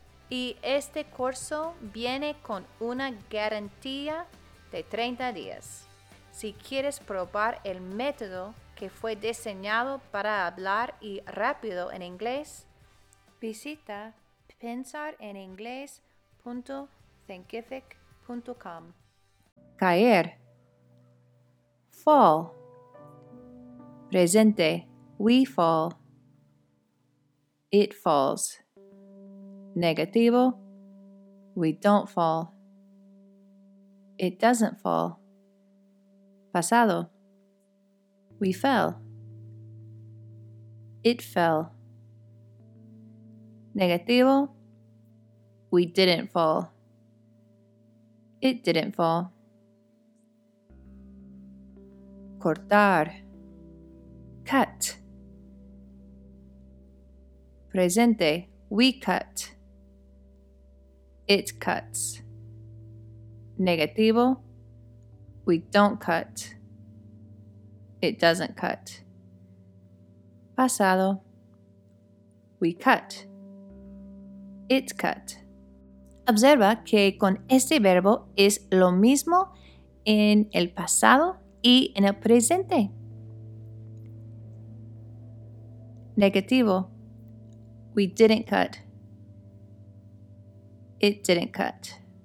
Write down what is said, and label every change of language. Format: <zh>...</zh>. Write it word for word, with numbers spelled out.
<es>Y este curso viene con una garantía de treinta días. Si quieres probar el método que fue diseñado para hablar y rápido en inglés, visita pensar en inglés punto thinkific punto com. Caer,</es> <en>fall,</en> <es>presente,</es> <en>we fall, it falls,</en> <es>negativo,</es> <en>we don't fall, it doesn't fall,</en> <es>pasado,</es> <en>we fell, it fell, negativo, we didn't fall, it didn't fall.</en> <es>Cortar,</es> <en>cut,</en> <es>presente,</es> <en>we cut, it cuts,</en> <es>negativo,</es> <en>we don't cut, it doesn't cut,</en> <es>pasado,</es> <en>we cut, it cut.</en> <es>Observa que con este verbo es lo mismo en el pasado y en el presente. Negativo.</es> <en>We didn't cut. It didn't cut.</en>